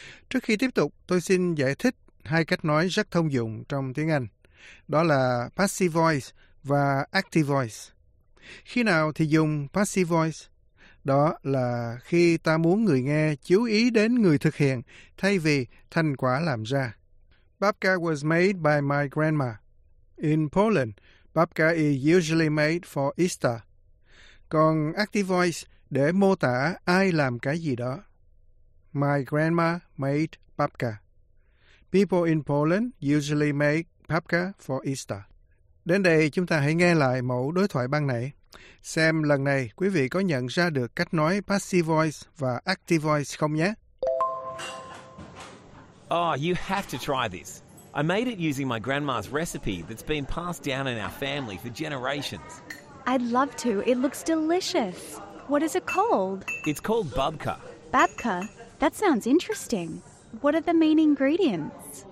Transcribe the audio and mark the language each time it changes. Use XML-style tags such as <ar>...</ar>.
<vi>Trước khi tiếp tục, tôi xin giải thích hai cách nói rất thông dụng trong tiếng Anh. Đó là passive voice và active voice. Khi nào thì dùng passive voice? Đó là khi ta muốn người nghe chú ý đến người thực hiện thay vì thành quả làm ra.</vi> <en>Babka was made by my grandma. In Poland, babka is usually made for Easter.</en> <vi>Còn active voice để mô tả ai làm cái gì đó.</vi> <en>My grandma made babka. People in Poland usually make babka for Easter.</en> <vi>Đến đây chúng ta hãy nghe lại mẫu đối thoại ban nãy. Xem lần này quý vị có nhận ra được cách nói passive voice và active voice không nhé.</vi> <en>Oh, you have to try this. I made it using my grandma's recipe that's been passed down in our family for generations. I'd love to. It looks delicious. What is it called? It's called babka. Babka? That sounds interesting. What are the main ingredients?</en>